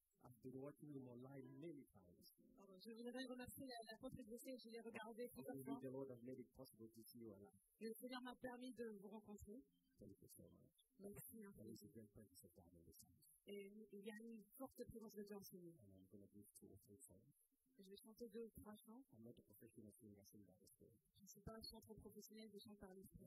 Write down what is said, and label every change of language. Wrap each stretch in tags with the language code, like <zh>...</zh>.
<en>I've been working with him online many times.</en> <fr>Je voudrais remercier l'apôtre Exorcism, je l'ai regardé plusieurs fois.</fr> <en>The Lord has made it possible to see you alive.</en> <fr>Le Seigneur m'a permis de vous rencontrer.</fr> <en>Thank you so much.</en> <fr>Merci.</fr> <en>There is a great presence of God in this time.</en> <fr>Et il y a une forte présence de Dieu en ce lieu.</fr> <en>And I'm going to give two or three songs.</en> <fr>Je vais chanter deux ou trois chants.</fr> <en>I'm not a professional singer, I sing by the Spirit.</en> <fr>Je ne suis pas un chanteur professionnel, je chante par l'Esprit.</fr>